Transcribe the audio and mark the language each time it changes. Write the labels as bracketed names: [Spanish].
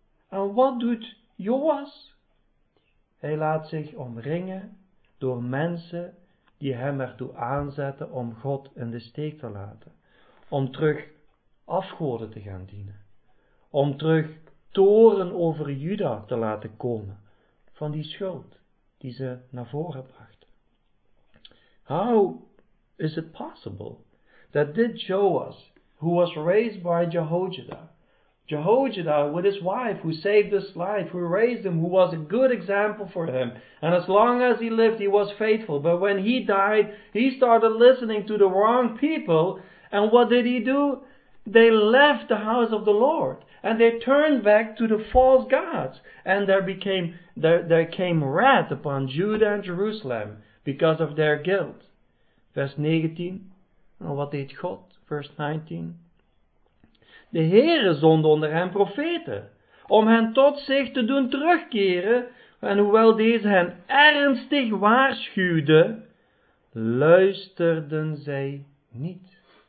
[Dutch] En wat doet Joas? Hij laat zich omringen door mensen die hem ertoe aanzetten om God in de steek te laten. Om terug afgoden te gaan dienen. Om terug toren over Juda te laten komen. van die schuld die ze naar voren brachten. [English] How is it possible that this Joas, who was raised by Jehojada with his wife, who saved his life, who raised him, who was a good example for him, and as long as he lived, he was faithful. But when he died, he started listening to the wrong people, and what did he do? They left the house of the Lord, and they turned back to the false gods, and there came wrath upon Judah and Jerusalem because of their guilt. Verse 19. [Dutch] En wat deed God? Vers 19. De Heere zond onder hen profeten, om hen tot zich te doen terugkeren, en hoewel deze hen ernstig waarschuwden, luisterden zij niet.